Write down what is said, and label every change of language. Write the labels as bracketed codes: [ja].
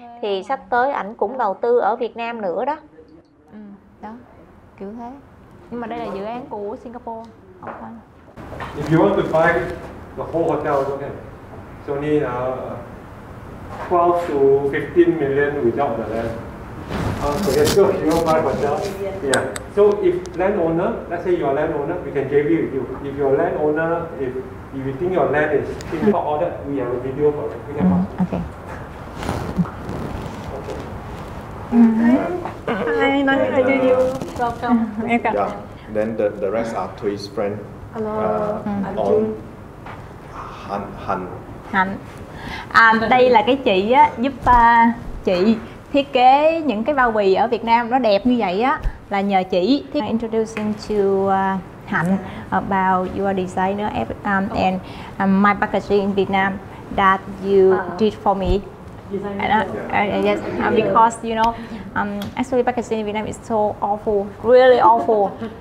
[vi] Thì sắp tới ảnh cũng đầu tư ở Việt Nam nữa đó. Đó, kiểu thế. Nhưng mà đây là dự án của Singapore, không phải. [en] If you want to buy the whole hotel, okay. So need 12 to 15 million without the land. So you want to buy hotel? Yeah. So if land owner, let's say you are land owner, we can JV with you. If you are land owner, if you think your land is cheap for all that, we have a video for it. We can watch. Okay. Hi, nice to meet you. Welcome. Yeah. Then the rest are to his friend. Hello. On Han Han. Hạnh. [vi] À, đây là cái chị á, giúp chị thiết kế những cái bao bì ở Việt Nam nó đẹp như vậy á, là nhờ chị. Thì [en] introducing to Hạnh about your designer and my packaging in Vietnam. that you did for me. Yes, because you know, actually packaging in Vietnam is so awful, really awful.